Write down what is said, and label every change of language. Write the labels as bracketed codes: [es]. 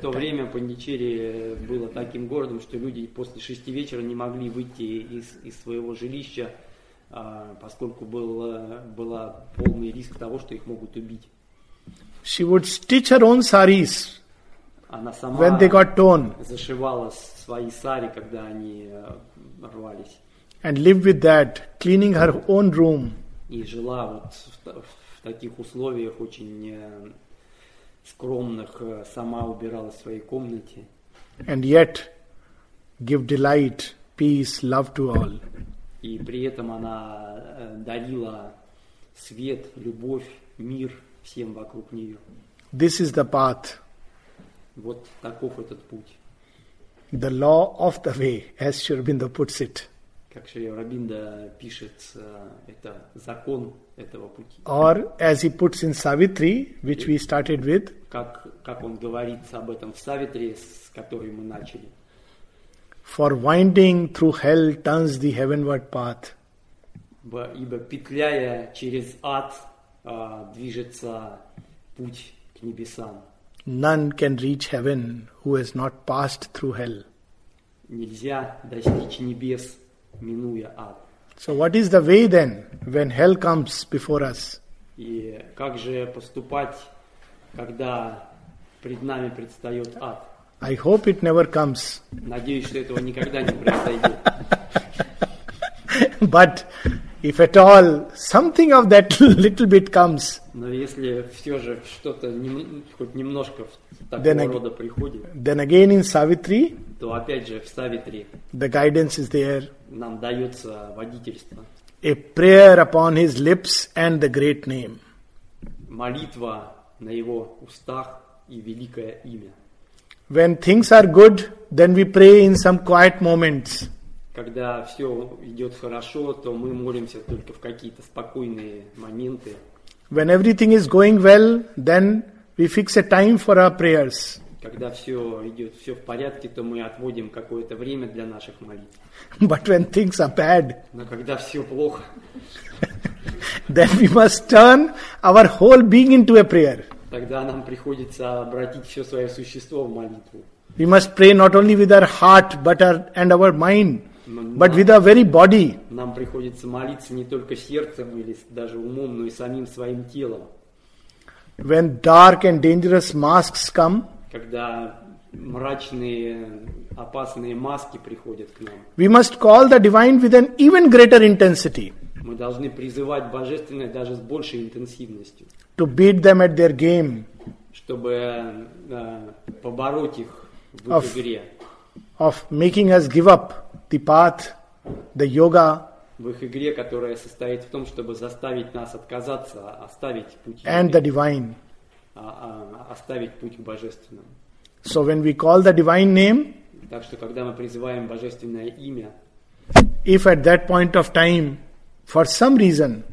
[ru] В то время Пондичерри было таким городом, что люди после 6 вечера не могли выйти из своего жилища, поскольку была полный риск того, что их могут убить. [en] She would stitch her own saris. [ru] Она сама [en] when they got torn. [ru] Зашивала свои сари, когда они рвались. [en] And lived with that, cleaning her own room. [ru] И жила вот в таких условиях очень скромных, сама убирала в своей комнате. [en] And yet give delight, peace, love to all. [ru] И при этом она дарила свет, любовь, мир всем вокруг нее. [en] This is the path. [ru] Вот таков этот путь. [en] The law of the way, as Sri Aurobindo puts it. [ru] Как Шри Аурабиндо пишет, это закон этого пути. [en] Or as he puts in Savitri, which we started with. [ru] Как он говорит об этом в Савитри, с которой мы начали. [en] For winding through hell turns the heavenward path. [ru] Ибо петляя через ад, движется путь к небесам. [en] None can reach heaven who has not passed through hell. [ru] Нельзя достичь небес, минуя ад. [en] So what is the way then, when hell comes before us? [ru] И как же поступать, когда пред нами предстает ад? [en] I hope it never comes. [ru] Надеюсь, что этого никогда не произойдет. [en] But if at all something of that little bit comes, [ru] но если все же что-то хоть немножко в такого рода приходит, [en] then again in Savitri, [ru] то опять же в Савитри, [en] the guidance is there. [ru] Нам дается водительство. [en] A prayer upon his lips and the great name. [ru] Молитва на его устах и великое имя. [en] When things are good, then we pray in some quiet moments. [ru] Когда все идет хорошо, то мы молимся только в какие-то спокойные моменты. [en] When everything is going well, then we fix a time for our prayers. [ru] Когда все идет все в порядке, то мы отводим какое-то время для наших молитв. [en] But when things are bad, [ru] но когда все плохо, [en] then we must turn our whole being into a prayer. [ru] Тогда нам приходится обратить все свое существо в молитву. [en] We must pray not only with our heart, but our mind, but with our very body. [ru] Нам приходится молиться не только сердцем или даже умом, но и самим своим телом. [en] When dark and dangerous masks come, [ru] когда мрачные опасные маски приходят к нам, [en] we must call the divine with an even greater intensity. [ru] Мы должны призывать божественное даже с большей интенсивностью. [en] To beat them at their game. [ru] Чтобы побороть их в их игре. [en] Of making us give up the path, the yoga. [ru] В их игре, которая состоит в том, чтобы заставить нас отказаться, оставить путь. [en] And the divine. [ru] Оставить путь к божественному. [en] So when we call the divine name. [ru] Так что когда мы призываем божественное имя. [en] If at that point of time. For some reason,